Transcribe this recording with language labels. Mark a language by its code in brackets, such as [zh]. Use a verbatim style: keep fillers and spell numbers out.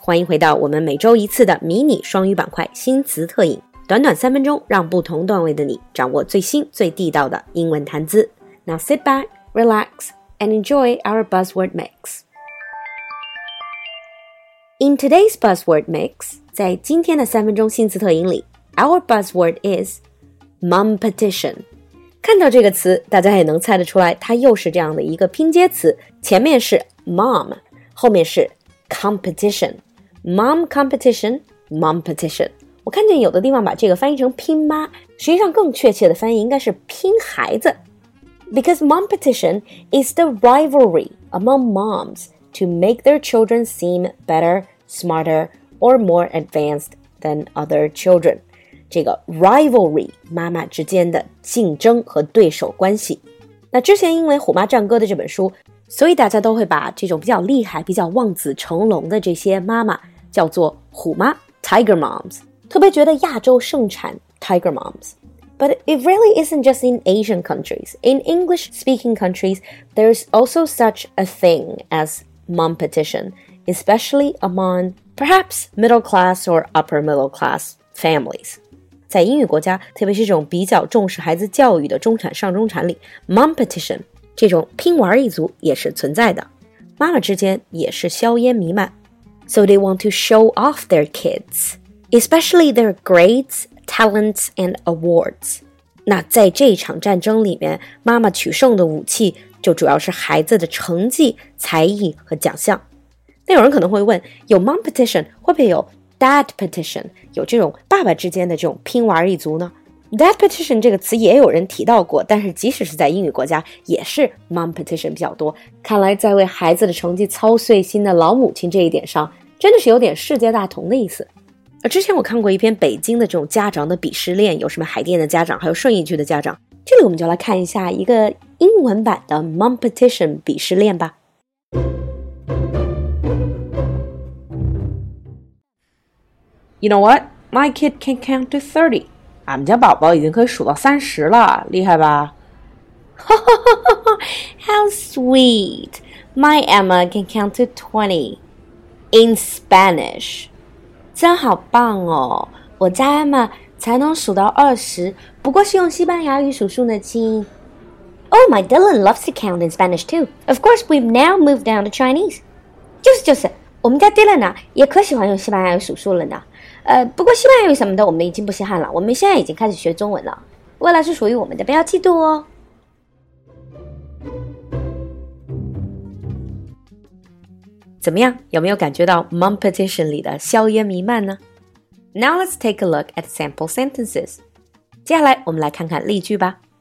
[zh] 欢迎回到我们每周一次的迷你双语板块新词特饮，短短三分钟，让不同段位的你掌握最新最地道的英文谈资。 [en] Now sit back, relax, and enjoy our Buzzword Mix. In today's Buzzword Mix, [zh] 在今天的三分钟新词特饮里 [en] ，our buzzword is mumpetition. [zh] 看到这个词，大家也能猜得出来，它又是这样的一个拼接词，前面是 mom， 后面是 competition， mom competition， mumpetition。我看见有的地方把这个翻译成拼妈，实际上更确切的翻译应该是拼孩子。 [en] Because mumpetition is the rivalry among moms to make their children seem better, smarter, or more advanced than other children. [zh] 这个 rivalry 妈妈之间的竞争和对手关系，那之前因为虎妈战歌的这本书，所以大家都会把这种比较厉害比较望子成龙的这些妈妈叫做虎妈 Tiger Moms， 特别觉得亚洲盛产 Tiger Moms。 [en] But it really isn't just in Asian countries. In English speaking countries, there's also such a thing as mumpetition, especially among perhaps middle class or upper middle class families. [zh] 在英语国家，特别是这种比较重视孩子教育的中产上中产里 mumpetition 这种拼玩一族也是存在的，妈妈之间也是硝烟弥漫。 [en] So they want to show off their kids, especially their grades, talents, and awards. [zh] 那在这场战争里面，妈妈取胜的武器就主要是孩子的成绩、才艺和奖项。那有人可能会问，有 mumpetition 会不会有Dad petition， 有这种爸爸之间的这种拼玩一族呢？ Dad petition 这个词也有人提到过，但是即使是在英语国家，也是 mom petition 比较多。看来在为孩子的成绩操碎心的老母亲这一点上，真的是有点世界大同的意思。而之前我看过一篇北京的这种家长的鄙视链，有什么海淀的家长，还有顺义区的家长。这里我们就来看一下一个英文版的 mom petition 鄙视链吧。 [en] You know what? My kid can count to thirty. [zh] 俺们家宝宝已经可以数到三十了，厉害吧？ [en] How sweet! My Emma can count to twenty in Spanish. [zh] 真好棒哦！我家 Emma 才能数到二十，不过是用西班牙语数数呢，亲。 [en] Oh, my Dylan loves to count in Spanish too. Of course, we've now moved down to Chinese. [zh] 就是就是，我们家 Dylan 啊，也可喜欢用西班牙语数数了呢。呃，不过西班牙语什么的我们已经不稀罕了，我们现在已经开始学中文了，未来是属于我们的，不要嫉妒哦。怎么样，有没有感觉到 mumpetition 里的硝烟弥漫呢？ [en] Now let's take a look at sample sentences. [zh] 接下来我们来看看例句吧。